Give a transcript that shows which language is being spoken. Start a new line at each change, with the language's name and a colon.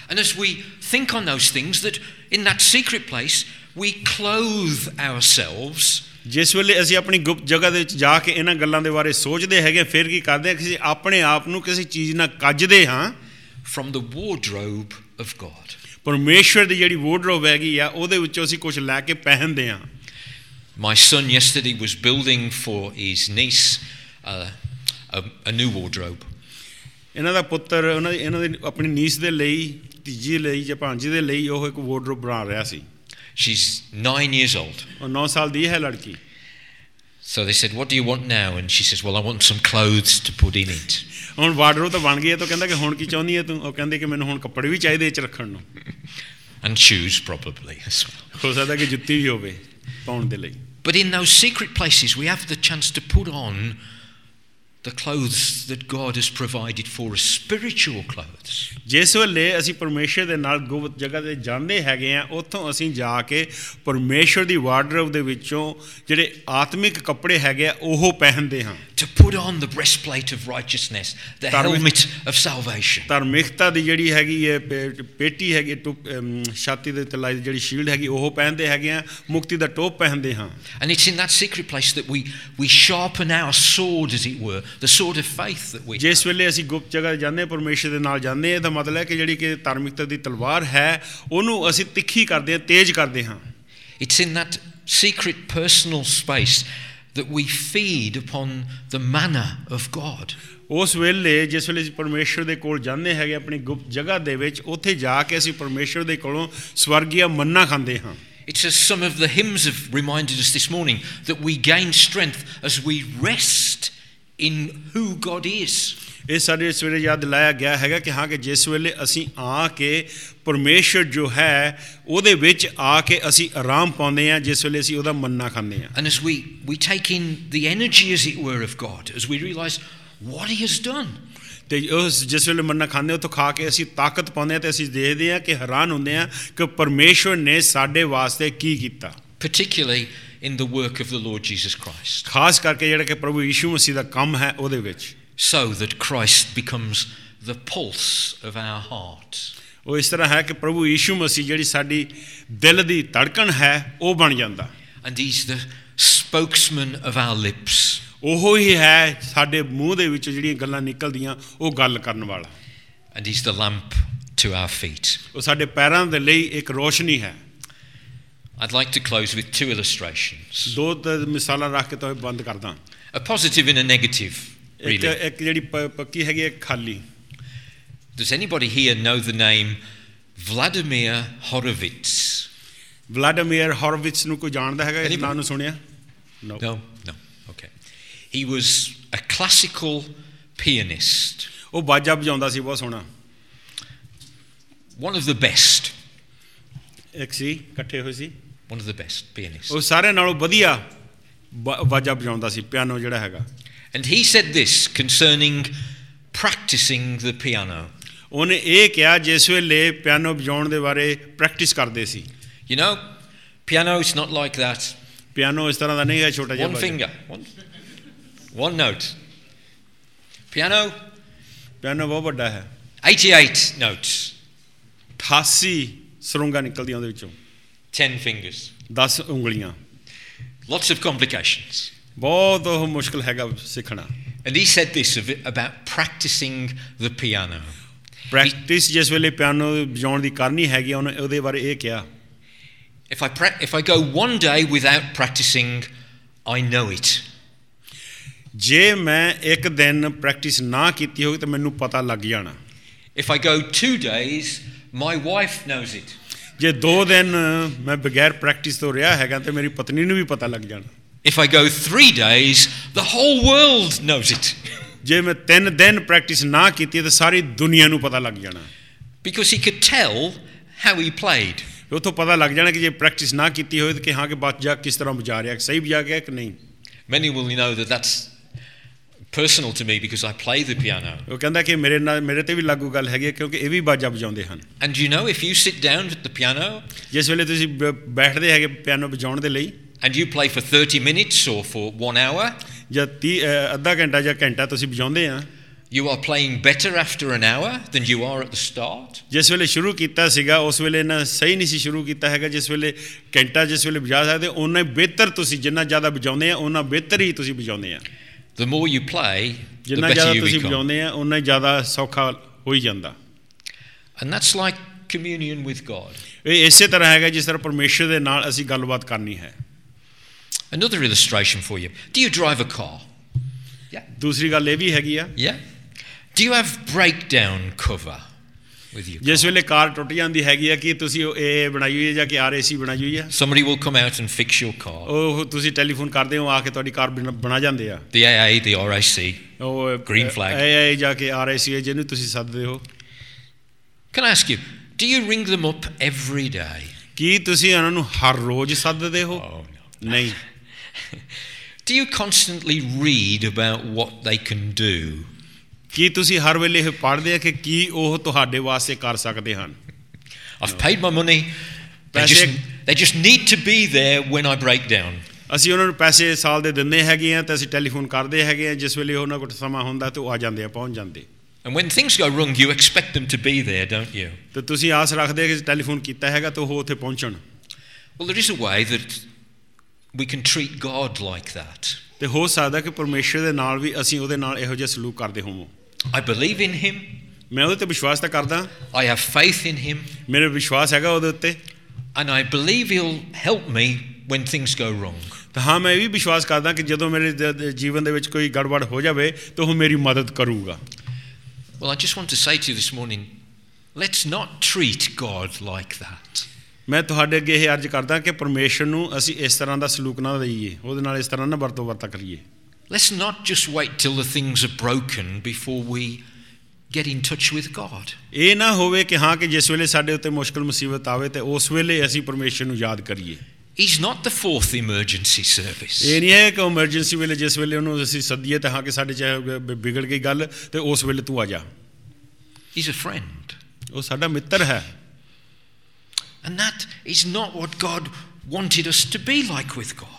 English: And as we think on those things, that in that secret place we clothe ourselves.
Punjabi: ਜਿਸ ਵੇਲੇ ਅਸੀਂ ਆਪਣੀ ਗੁਪਤ ਜਗ੍ਹਾ ਦੇ ਵਿੱਚ ਜਾ ਕੇ ਇਹਨਾਂ ਗੱਲਾਂ ਦੇ ਬਾਰੇ ਸੋਚਦੇ ਹੈਗੇ, ਫਿਰ ਕੀ ਕਰਦੇ ਹਾਂ ਕਿ ਅਸੀਂ ਆਪਣੇ ਆਪ ਨੂੰ ਕਿਸੇ ਚੀਜ਼ ਨਾਲ ਕੱਜਦੇ ਹਾਂ
English: From the wardrobe of God.
Punjabi: ਪਰਮੇਸ਼ਵਰ ਦੀ ਜਿਹੜੀ ਵਾਰਡਰੋਬ ਹੈਗੀ ਆ ਉਹਦੇ ਵਿੱਚੋਂ ਅਸੀਂ ਕੁਛ ਲੈ ਕੇ ਪਹਿਨਦੇ ਹਾਂ.
English: My son yesterday was building for his niece a new wardrobe.
Punjabi: ਇਹਨਾਂ ਦਾ ਪੁੱਤਰ ਇਹਨਾਂ ਦੇ ਆਪਣੀ ਨੀਸ ਦੇ ਲਈ, ਤੀਜੀ ਲਈ ਜਾਂ ਭਾਣਜੀ ਦੇ ਲਈ ਉਹ ਇੱਕ ਵਾਰਡਰੋਬ ਬਣਾ ਰਿਹਾ ਸੀ.
English: She's 9 years old.
Punjabi: ਉਹ 9 ਸਾਲ ਦੀ ਹੈ ਲੜਕੀ.
English: So they said, what do you want now? And she says, well, I want some clothes to put in it.
Punjabi: ਹੁਣ ਵਾਰਡਰੋਬ ਤਾਂ ਬਣ ਗਿਆ, ਤਾਂ ਕਹਿੰਦਾ ਕਿ ਹੁਣ ਕੀ ਚਾਹੁੰਦੀ ਹੈ ਤੂੰ? ਉਹ ਕਹਿੰਦੇ ਕਿ ਮੈਨੂੰ ਹੁਣ ਕੱਪੜੇ ਵੀ ਚਾਹੀਦੇ ਇਹ 'ਚ ਰੱਖਣ ਨੂੰ.
English: And shoes probably as well.
Punjabi: ਹੋ ਸਕਦਾ ਕਿ ਜੁੱਤੀ ਵੀ ਹੋਵੇ ਪਾਉਣ ਦੇ ਲਈ.
English: But in those secret places we have the chance to put on the clothes that God has provided for us, spiritual clothes.
Punjabi: ਜਿਸ ਵੇਲੇ ਅਸੀਂ ਪਰਮੇਸ਼ਰ ਦੇ ਨਾਲ ਗੁਪਤ ਜਗ੍ਹਾ 'ਤੇ ਜਾਂਦੇ ਹੈਗੇ ਹਾਂ, ਉੱਥੋਂ ਅਸੀਂ ਜਾ ਕੇ ਪਰਮੇਸ਼ਰ ਦੀ ਵਾਰਡਰੋਬ ਦੇ ਵਿੱਚੋਂ ਜਿਹੜੇ ਆਤਮਿਕ ਕੱਪੜੇ ਹੈਗੇ ਆ ਉਹ ਪਹਿਨਦੇ ਹਾਂ.
English: To put on the breastplate of righteousness, the helmet of salvation.
Punjabi: ਧਾਰਮਿਕਤਾ ਦੀ ਜਿਹੜੀ ਹੈਗੀ ਹੈ ਪੇਟੀ ਹੈਗੀ, ਛਾਤੀ ਦੇ ਉੱਤੇ ਲਾਈ ਦੀ ਜਿਹੜੀ ਸ਼ੀਲਡ ਹੈਗੀ ਉਹ ਪਹਿਨਦੇ ਹੈਗੇ ਹਾਂ, ਮੁਕਤੀ ਦਾ ਟੋਪ ਪਹਿਨਦੇ ਹਾਂ.
English: And it's in that secret place that we sharpen our sword, as it were, the sword of faith that we.
Punjabi: ਜਿਸ ਵੇਲੇ ਅਸੀਂ ਗੁਪਤ ਜਗ੍ਹਾ ਜਾਂਦੇ ਹਾਂ ਪਰਮੇਸ਼ਰ ਦੇ ਨਾਲ ਜਾਂਦੇ ਹਾਂ, ਤਾਂ ਮਤਲਬ ਹੈ ਕਿ ਜਿਹੜੀ ਕਿ ਧਾਰਮਿਕਤਾ ਦੀ ਤਲਵਾਰ ਹੈ ਉਹਨੂੰ ਅਸੀਂ ਤਿੱਖੀ ਕਰਦੇ ਹਾਂ, ਤੇਜ਼ ਕਰਦੇ ਹਾਂ.
English: It's in that secret personal space that we feed upon the manna of God.
Punjabi: ਉਸ ਵੇਲੇ ਜਿਸ ਵੇਲੇ ਅਸੀਂ ਪਰਮੇਸ਼ੁਰ ਦੇ ਕੋਲ ਜਾਂਦੇ ਹੈਗੇ ਆਪਣੀ ਗੁਪਤ ਜਗ੍ਹਾ ਦੇ ਵਿੱਚ, ਉੱਥੇ ਜਾ ਕੇ ਅਸੀਂ ਪਰਮੇਸ਼ੁਰ ਦੇ ਕੋਲੋਂ ਸਵਰਗੀਆ ਮੰਨਾ ਖਾਂਦੇ ਹਾਂ.
English: It's as some of the hymns have reminded us this morning that we gain strength as we rest in who God is.
Punjabi: ਇਹ ਸਾਡੇ ਇਸ ਵੇਲੇ ਯਾਦ ਲਾਇਆ ਗਿਆ ਹੈਗਾ ਕਿ ਹਾਂ ਕਿ ਜਿਸ ਵੇਲੇ ਅਸੀਂ ਆ ਕੇ ਪਰਮੇਸ਼ੁਰ ਜੋ ਹੈ ਉਹਦੇ ਵਿੱਚ ਆ ਕੇ ਅਸੀਂ ਆਰਾਮ ਪਾਉਂਦੇ ਹਾਂ, ਜਿਸ ਵੇਲੇ ਅਸੀਂ ਉਹਦਾ ਮੰਨਾ ਖਾਂਦੇ ਹਾਂ.
English: And as we take in the energy as it were of God, as we realize what he has done.
Punjabi: ਅਤੇ ਉਸ ਜਿਸ ਵੇਲੇ ਮੰਨਾ ਖਾਂਦੇ ਉੱਥੋਂ ਖਾ ਕੇ ਅਸੀਂ ਤਾਕਤ ਪਾਉਂਦੇ ਹਾਂ, ਅਤੇ ਅਸੀਂ ਦੇਖਦੇ ਹਾਂ ਕਿ ਹੈਰਾਨ ਹੁੰਦੇ ਹਾਂ ਕਿ ਪਰਮੇਸ਼ੁਰ ਨੇ ਸਾਡੇ ਵਾਸਤੇ ਕੀ ਕੀਤਾ.
English: Particularly in the work of the Lord Jesus Christ.
Punjabi: ਖਾਸ ਕਰਕੇ ਜਿਹੜਾ ਕਿ ਪ੍ਰਭੂ ਯਿਸੂ ਮਸੀਹ ਦਾ ਕੰਮ ਹੈ ਉਹਦੇ ਵਿੱਚ.
English: So that Christ becomes the pulse of our heart.
Punjabi: ਉਹ ਇਸ ਤਰ੍ਹਾਂ ਹੈ ਕਿ ਪ੍ਰਭੂ ਯਿਸੂ ਮਸੀਹ ਜਿਹੜੀ ਸਾਡੀ ਦਿਲ ਦੀ ਧੜਕਣ ਹੈ ਉਹ ਬਣ ਜਾਂਦਾ.
English: And he's the spokesman of our lips.
Punjabi: ਉਹ ਹੀ ਹੈ ਸਾਡੇ ਮੂੰਹ ਦੇ ਵਿੱਚ ਜਿਹੜੀਆਂ ਗੱਲਾਂ ਨਿਕਲਦੀਆਂ ਉਹ ਗੱਲ ਕਰਨ ਵਾਲਾ.
English: And he's the lamp to our feet.
Punjabi: ਉਹ ਸਾਡੇ ਪੈਰਾਂ ਦੇ ਲਈ ਇੱਕ ਰੋਸ਼ਨੀ ਹੈ.
English: I'd like to close with two illustrations.
Punjabi: ਦੋ ਮਿਸਾਲਾਂ ਰੱਖ ਕੇ ਤੁਹਾਨੂੰ ਬੰਦ ਕਰਦਾ.
English: A positive and a negative. Really.
Punjabi: ਇੱਕ ਜਿਹੜੀ ਪੱਕੀ ਹੈਗੀ ਹੈ ਖਾਲੀ.
English: Does anybody here know the name Vladimir Horowitz?
Punjabi: Vladimir Horowitz ਨੂੰ ਕੋਈ ਜਾਣਦਾ ਹੈਗਾ? ਇਹ ਨਾਮ ਨੂੰ ਸੁਣਿਆ?
English: No. No. No. Okay. He was a classical pianist.
Punjabi: ਉਹ ਬਾਜਾ ਵਜਾਉਂਦਾ ਸੀ ਬਹੁਤ ਸੋਹਣਾ.
English: One of the best.
Punjabi: ਇੱਕ ਸੀ ਇਕੱਠੇ ਹੋਏ ਸੀ.
English: One of the best pianists.
Punjabi: ਉਹ ਸਾਰਿਆਂ ਨਾਲੋਂ ਵਧੀਆ ਵਾਜਾ ਵਜਾਉਂਦਾ ਸੀ ਪਿਆਨੋ ਜਿਹੜਾ ਹੈਗਾ.
English: And he said this concerning practicing the piano.
Punjabi: ਉਹਨੇ ਇਹ ਕਿਹਾ ਜਿਸ ਵੇਲੇ ਪਿਆਨੋ ਵਜਾਉਣ ਦੇ ਬਾਰੇ ਪ੍ਰੈਕਟਿਸ ਕਰਦੇ ਸੀ.
English: You know, piano is not like that.
Punjabi: Piano ਇਸ ਤਰ੍ਹਾਂ ਦਾ ਨਹੀਂ ਹੈ, ਛੋਟਾ ਜਿਹਾ.
English: One finger. One note. Piano.
Punjabi: Piano ਬਹੁਤ ਵੱਡਾ ਹੈ.
English: 88 notes.
Punjabi: 88 ਸੁਰੰਗਾਂ ਨਿਕਲਦੀਆਂ ਉਹਦੇ ਵਿੱਚੋਂ.
English: 10 fingers.
Punjabi: 10 ਉਂਗਲੀਆਂ.
English: Lots of complications.
Punjabi: ਬਹੁਤ ਉਹ ਮੁਸ਼ਕਲ ਹੈਗਾ ਸਿੱਖਣਾ.
English: And he said this about practicing the piano.
Punjabi: Practice ਜਿਸ ਵੇਲੇ ਪਿਆਨੋ ਵਜਾਉਣ ਦੀ ਕਰਨੀ ਹੈਗੀ ਉਹਨੇ ਉਹਦੇ ਬਾਰੇ ਇਹ ਕਿਹਾ.
English: If I go one day without practicing, I know it.
Punjabi: ਜੇ ਮੈਂ ਇੱਕ ਦਿਨ ਪ੍ਰੈਕਟਿਸ ਨਾ ਕੀਤੀ ਹੋਵੇ ਤਾਂ ਮੈਨੂੰ ਪਤਾ ਲੱਗ ਜਾਣਾ.
English: If I go 2 days, my wife knows it.
Punjabi: ਜੇ 2 ਦਿਨ ਮੈਂ ਬਗੈਰ ਪ੍ਰੈਕਟਿਸ ਤੋਂ ਰਿਹਾ ਹੈਗਾ ਤਾਂ ਮੇਰੀ ਪਤਨੀ ਨੂੰ ਵੀ ਪਤਾ ਲੱਗ ਜਾਣਾ.
English: If I go 3 days, the whole world knows it.
Punjabi: ਜੇ ਮੈਂ 3 ਦਿਨ ਪ੍ਰੈਕਟਿਸ ਨਾ ਕੀਤੀ ਤਾਂ ਸਾਰੀ ਦੁਨੀਆ ਨੂੰ ਪਤਾ ਲੱਗ ਜਾਣਾ.
English: Because he could tell how he played.
Punjabi: ਉੱਥੋਂ ਪਤਾ ਲੱਗ ਜਾਣਾ ਕਿ ਜੇ ਪ੍ਰੈਕਟਿਸ ਨਾ ਕੀਤੀ ਹੋਵੇ ਤਾਂ ਕਿ ਹਾਂ ਕਿ ਬਾਤ ਜਾ ਕਿਸ ਤਰ੍ਹਾਂ ਵਜਾ ਰਿਹਾ, ਸਹੀ ਵਜਾ ਗਿਆ ਕਿ ਨਹੀਂ.
English: Many will know that that's personal to me because I play the piano.
Punjabi: ਉਹ ਕਹਿੰਦਾ ਕਿ ਮੇਰੇ ਨਾਲ ਮੇਰੇ ਤੇ ਵੀ ਲਾਗੂ ਗੱਲ ਹੈਗੀ ਹੈ ਕਿਉਂਕਿ ਇਹ ਵੀ ਬਾਜਾ ਵਜਾਉਂਦੇ ਹਨ.
English: And you know, if you sit down with the piano,
Punjabi: ਜਿਸ ਵੇਲੇ ਤੁਸੀਂ ਬੈਠਦੇ ਹੈਗੇ ਪਿਆਨੋ ਵਜਾਉਣ ਦੇ ਲਈ,
English: and you play for 30 minutes or for 1 hour,
Punjabi: ਜਾਂ 30 ਅੱਧਾ ਘੰਟਾ ਜਾਂ ਘੰਟਾ ਤੁਸੀਂ ਵਜਾਉਂਦੇ ਆ,
English: You are playing better after an hour than you are at the start.
Punjabi: ਜਿਸ ਵੇਲੇ ਸ਼ੁਰੂ ਕੀਤਾ ਸੀਗਾ ਉਸ ਵੇਲੇ ਨਾ ਸਹੀ ਨਹੀਂ ਸੀ ਸ਼ੁਰੂ ਕੀਤਾ ਹੈਗਾ ਜਿਸ ਵੇਲੇ ਘੰਟਾ ਜਿਸ ਵੇਲੇ ਵਜਾ ਸਕਦੇ ਉਨਾ ਬਿਹਤਰ ਤੁਸੀਂ ਜਿੰਨਾ ਜ਼ਿਆਦਾ ਵਜਾਉਂਦੇ ਆ ਉਨਾ ਬਿਹਤਰ ਹੀ ਤੁਸੀਂ ਵਜਾਉਂਦੇ ਆ
English: The more you play
Punjabi: ਜਿੰਨਾ ਜ਼ਿਆਦਾ ਤੁਸੀਂ ਵਜਾਉਂਦੇ ਆ ਉਨਾ ਹੀ ਜ਼ਿਆਦਾ ਸੌਖਾ ਹੋ ਹੀ ਜਾਂਦਾ
English: And that's like communion with God
Punjabi: ਇਹ ਇਸੇ ਤਰ੍ਹਾਂ ਹੈਗਾ ਜਿਸ ਤਰ੍ਹਾਂ ਪਰਮੇਸ਼ਰ ਦੇ ਨਾਲ ਅਸੀਂ ਗੱਲਬਾਤ ਕਰਨੀ ਹੈ
English: Another illustration for you Do you drive a car
Punjabi: ਦੂਸਰੀ ਗੱਲ ਇਹ ਵੀ ਹੈਗੀ ਆ
English: ਯਾ do you have breakdown cover with you
Punjabi: ਜਿਸ ਵੇਲੇ ਕਾਰ ਟੁੱਟ ਜਾਂਦੀ ਹੈਗੀ ਆ ਕਿ ਤੁਸੀਂ ਇਹ ਬਣਾਈ ਹੋਈ ਹੈ ਜਾਂ ਕਿ ਆਰ ਏ ਸੀ ਬਣਾਈ ਹੋਈ ਆ
English: summary will come out and fix your car
Punjabi: ਉਹ ਤੁਸੀਂ ਟੈਲੀਫੋਨ ਕਰਦੇ ਹੋ ਆ ਕੇ ਤੁਹਾਡੀ ਕਾਰ ਬਣਾ ਜਾਂਦੇ ਆ
English: the A A the R A C ਉਹ Green Flag
Punjabi: ਆਈ ਆਈ ਜਾ ਕੇ ਆਰ ਆਈ ਸੀ ਹੈ ਜਿਹਨੂੰ ਤੁਸੀਂ ਸੱਦਦੇ ਹੋ
English: can ask you do you ring them up every day
Punjabi: ਕੀ ਤੁਸੀਂ ਉਹਨਾਂ ਨੂੰ ਹਰ ਰੋਜ਼ ਸੱਦਦੇ ਹੋ ਨਹੀਂ
English: Do you constantly read about what they can do?
Punjabi: ਕੀ ਤੁਸੀਂ ਹਰ ਵੇਲੇ ਇਹ ਪੜ੍ਹਦੇ ਆ ਕਿ ਕੀ ਉਹ ਤੁਹਾਡੇ ਵਾਸਤੇ ਕਰ ਸਕਦੇ ਹਨ?
English: I've paid my money. They just need to be there when I break down.
Punjabi: ਅਸੀਂ ਉਹਨਾਂ ਨੂੰ ਪੈਸੇ ਸਾਲ ਦੇ ਦਿੰਦੇ ਹੈਗੇ ਆ ਤੇ ਅਸੀਂ ਟੈਲੀਫੋਨ ਕਰਦੇ ਹੈਗੇ ਆ ਜਿਸ ਵੇਲੇ ਉਹਨਾਂ ਕੋਲ ਸਮਾਂ ਹੁੰਦਾ ਤੇ ਉਹ ਆ ਜਾਂਦੇ ਆ ਪਹੁੰਚ ਜਾਂਦੇ।
English: And when things go wrong, you expect them to be there, don't you?
Punjabi: ਤੇ ਤੁਸੀਂ ਆਸ ਰੱਖਦੇ ਕਿ ਟੈਲੀਫੋਨ ਕੀਤਾ ਹੈਗਾ ਤੇ ਉਹ ਉੱਥੇ ਪਹੁੰਚਣ।
English: Well, there is a way that we can treat God like that.
Punjabi: ਤੇ ਹੋ ਸਕਦਾ ਕਿ ਪਰਮੇਸ਼ਰ ਦੇ ਨਾਲ ਵੀ ਅਸੀਂ ਉਹਦੇ ਨਾਲ ਇਹੋ ਜਿਹਾ ਸਲੂਕ ਕਰਦੇ ਹੋਵੋ।
English: I believe in him.
Punjabi: ਮੈਂ ਉਹਦੇ ਤੇ ਵਿਸ਼ਵਾਸ ਤਾਂ ਕਰਦਾ।
English: I have faith in him.
Punjabi: ਮੇਰੇ ਵਿਸ਼ਵਾਸ ਹੈਗਾ ਉਹਦੇ ਉੱਤੇ।
English: And I believe he'll help me when things go wrong.
Punjabi: ਤਾਂ ਹਾਂ ਮੈਂ ਇਹ ਵੀ ਵਿਸ਼ਵਾਸ ਕਰਦਾ ਕਿ ਜਦੋਂ ਮੇਰੇ ਜੀਵਨ ਦੇ ਵਿੱਚ ਕੋਈ ਗੜਬੜ ਹੋ ਜਾਵੇ ਤਾਂ ਉਹ ਮੇਰੀ ਮਦਦ ਕਰੂਗਾ।
English: Well, I just want to say to you this morning, let's not treat God like that.
Punjabi: ਮੈਂ ਤੁਹਾਡੇ ਅੱਗੇ ਇਹ ਅਰਜ ਕਰਦਾ ਕਿ ਪਰਮੇਸ਼ਰ ਨੂੰ ਅਸੀਂ ਇਸ ਤਰ੍ਹਾਂ ਦਾ ਸਲੂਕ ਨਾ ਦਈਏ, ਉਹਦੇ ਨਾਲ ਇਸ ਤਰ੍ਹਾਂ ਨਾ ਵਰਤੋਂ ਵਰਤਾ ਕਰੀਏ।
English: Let's not just wait till the things are broken before we get in touch with God.
Punjabi: ਇਹ ਨਾ ਹੋਵੇ ਕਿ ਹਾਂ ਕਿ ਜਿਸ ਵੇਲੇ ਸਾਡੇ ਉੱਤੇ ਮੁਸ਼ਕਲ ਮੁਸੀਬਤ ਆਵੇ ਤੇ ਉਸ ਵੇਲੇ ਅਸੀਂ ਪਰਮੇਸ਼ਰ ਨੂੰ ਯਾਦ ਕਰੀਏ।
English: He's not the fourth emergency service.
Punjabi: ਇਹ ਨਹੀਂ ਹੈ ਕਿ ਐਮਰਜੈਂਸੀ ਵੇਲੇ ਜਿਸ ਵੇਲੇ ਉਹਨੂੰ ਅਸੀਂ ਸੱਦੀਏ ਤਾਂ ਹਾਂ ਕਿ ਸਾਡੇ ਚਾਹੇ ਵਿਗੜ ਗਈ ਗੱਲ ਤੇ ਉਸ ਵੇਲੇ ਤੂੰ ਆ ਜਾ।
English: He's a friend.
Punjabi: ਉਹ ਸਾਡਾ ਮਿੱਤਰ ਹੈ।
English: And that is not what God wanted us to be like with God.